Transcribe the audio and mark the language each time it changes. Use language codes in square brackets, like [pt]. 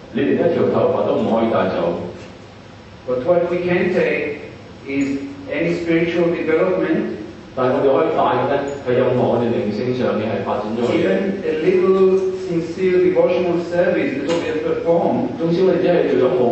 [yue] 你連一條頭髮都唔可以帶走。 [en] But what we can take is any spiritual development. [yue] 但係我哋可以帶嘅咧，係任何我哋靈性上面係發展咗嘅。 [en] Even a little sincere devotional service that we have performed.